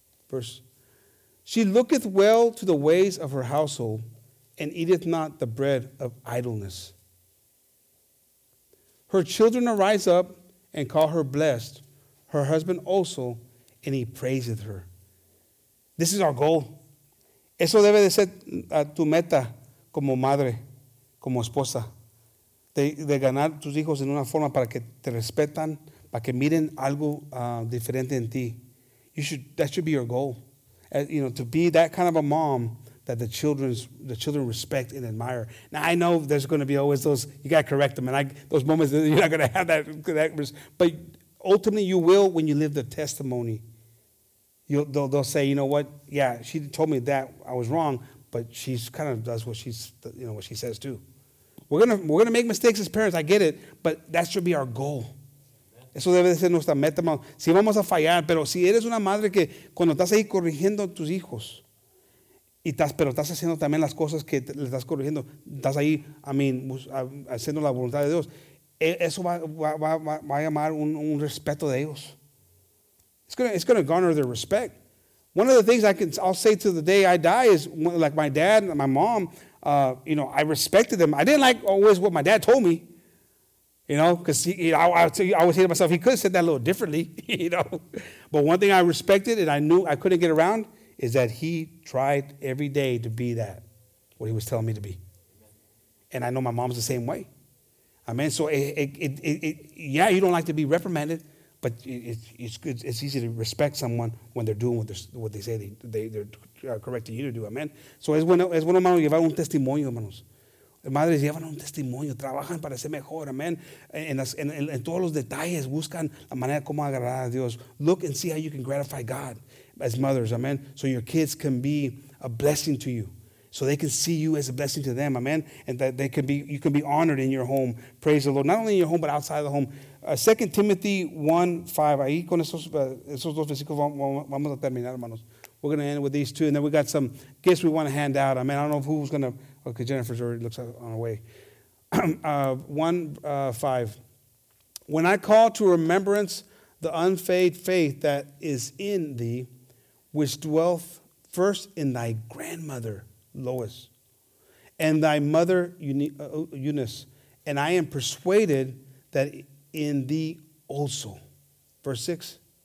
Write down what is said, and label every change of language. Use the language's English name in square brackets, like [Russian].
[English] Verse, she looketh well to the ways of her household and eateth not the bread of idleness. Her children arise up and call her blessed, her husband also, and he praiseth her. This is our goal. [Spanish] Eso debe de ser tu meta como madre, como esposa. De ganar tus hijos en una forma para que te respetan, para que miren algo diferente en ti. [English] That should be your goal. You know, to be that kind of a mom that the children respect and admire. Now, I know there's going to be always those, you got to correct them. And those moments, you're not going to have that. But ultimately, you will when you live the testimony. They'll say, you know what? Yeah, she told me that I was wrong, but she kind of does what she says too. We're gonna make mistakes as parents. I get it, but that should be our goal. [Spanish] Eso debe ser nuestra meta. Si vamos a fallar, pero si eres una madre que cuando estás ahí corrigiendo a tus hijos, pero estás haciendo también las cosas que le estás corrigiendo, estás ahí, haciendo la voluntad de Dios. Eso va a llamar un respeto de ellos. [English] It's gonna garner their respect. One of the things I'll say to the day I die is like my dad and my mom. You know, I respected them. I didn't like always what my dad told me, you know, because I was hating myself. He could have said that a little differently, you know. But one thing I respected and I knew I couldn't get around is that he tried every day to be that, what he was telling me to be. And I know my mom's the same way. I mean, so it you don't like to be reprimanded, but it's good. It's easy to respect someone when they're doing what they say they're correcting you to do. Amen. [Spanish] So es bueno, hermano, llevar un testimonio, hermanos. Madres llevan un testimonio, trabajan para ser mejor. Amen. En todos los detalles, buscan la manera como agradar a Dios. [English] Look and see how you can gratify God as mothers. Amen. So your kids can be a blessing to you. So they can see you as a blessing to them. Amen. And that you can be honored in your home. Praise the Lord. Not only in your home, but outside of the home. 2 Timothy 1:5. [Spanish] Ahí con esos dos versículos vamos a terminar, hermanos. [English] We're going to end with these two. And then we got some gifts we want to hand out. I mean, I don't know who's going to. Okay, Jennifer's already looks on her way. 1:5. When I call to remembrance the unfeigned faith that is in thee, which dwelt first in thy grandmother, Lois, and thy mother, Eunice, and I am persuaded that in thee also. Verse 6.